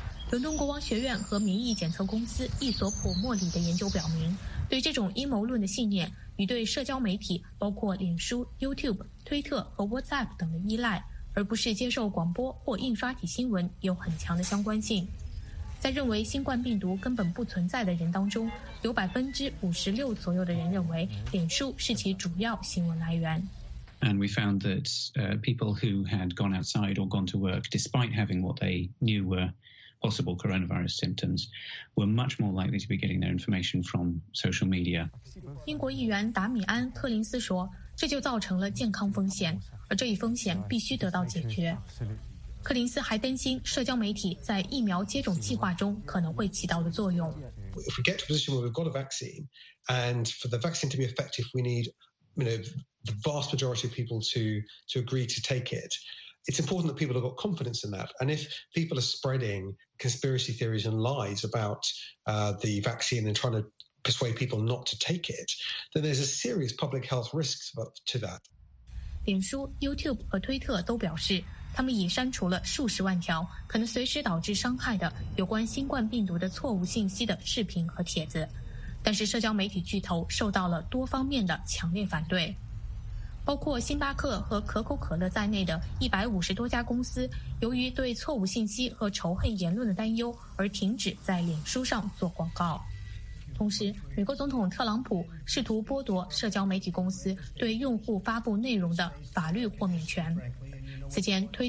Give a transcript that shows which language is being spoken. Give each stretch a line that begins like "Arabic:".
Chinese: 伦敦国王学院和民意检测公司伊索普莫里的研究表明，对这种阴谋论的信念与对社交媒体包括脸书、YouTube、推特和 WhatsApp 等的依赖，而不是接受广播或印刷体新闻有很强的相关性。在认为新冠病毒根本不存在的人当中，有56%左右的人认为脸书是其主要新闻来源。
English: And we found that people who had gone outside or gone to work, despite having what they knew were possible coronavirus symptoms, were much more likely to be getting their information from social media.
Chinese: 英国议员达米安·克林斯说， 这就造成了健康风险， 而这一风险必须得到解决。克林斯还担心社交媒体在疫苗接种计划中可能会起到的作用。
English: If we get to a position where we've got a vaccine, and for the vaccine to be effective, we need, you know, the vast majority of people to agree to take it. It's important that people have got confidence in that. And if people are spreading conspiracy theories and lies about the vaccine and trying to persuade people not to take it, then there's a serious public health risk to that.
Chinese: 脸书, YouTube和推特都表示， 他们已删除了数十万条可能随时导致伤害的有关新冠病毒的错误信息的视频和帖子，但是社交媒体巨头受到了多方面的强烈反对，包括星巴克和可口可乐在内的150多家公司，由于对错误信息和仇恨言论的担忧而停止在脸书上做广告。同时，美国总统特朗普试图剥夺社交媒体公司对用户发布内容的法律豁免权。